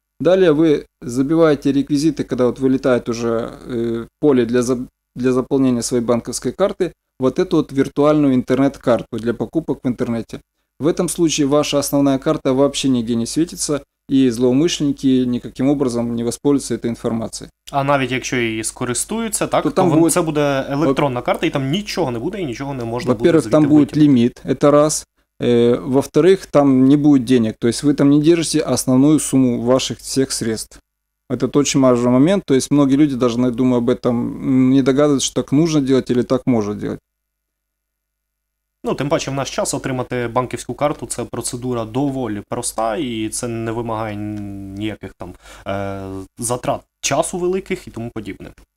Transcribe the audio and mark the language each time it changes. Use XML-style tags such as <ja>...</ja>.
<ru>Далее вы забиваете реквизиты, когда вот вылетает уже поле для заполнения своей банковской карты, вот эту вот виртуальную интернет-карту для покупок в интернете. В этом случае ваша основная карта вообще нигде не светится, и злоумышленники никаким образом не воспользуются этой</ru> <uk>інформацією. А навіть якщо її скористуються, так, то там то це буде електронна карта, і там нічого не буде, і нічого не можна буде звідти. Там буде ліміт, це раз.</uk> <ru>Во-вторых, там не будет денег, то есть вы там не держите основную сумму ваших всех средств. Это очень важный момент, то есть многие люди даже, думаю, об этом не догадываются, что так нужно делать или так можно делать. Ну, тем паче</ru> <uk>в наш час отримати банківську карту – це процедура доволі проста, і це не вимагає ніяких там затрат часу великих і тому подібне.</uk>